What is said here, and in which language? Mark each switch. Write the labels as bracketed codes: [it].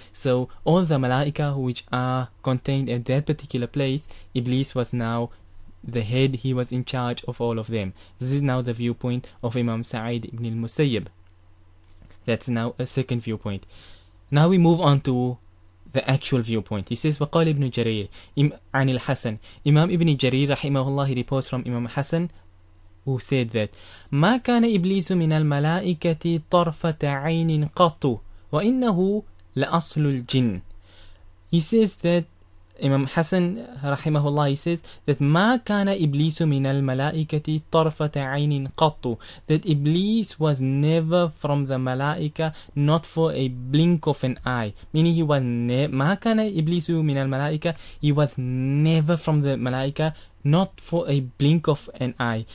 [en] So all the malaika which are contained at that particular place, Iblis was now the head, he was in charge of all of them. This is now the viewpoint of Imam Sa'id ibn al-Musayyib. That's now a second viewpoint. Now we move on to the actual viewpoint. He says, [ar] وقال ابن جرير عن الحسن. [en] Imam ibn Jarir رحمه الله, he reports from Imam Hassan, who said that [ar] ما كان إبليس من الملائكة طرفة عين قط وإنه لأصل الجن. [en] He says that Imam Hassan رحمه الله, he says that [ar] ما كان إبليس من الملائكة طرفة عين قط, [en] that Iblis was never from the ملائكة, not for a blink of an eye, meaning he was [ar] ما كان إبليس من الملائكة, [en] he was never from the ملائكة, not for a blink of an eye.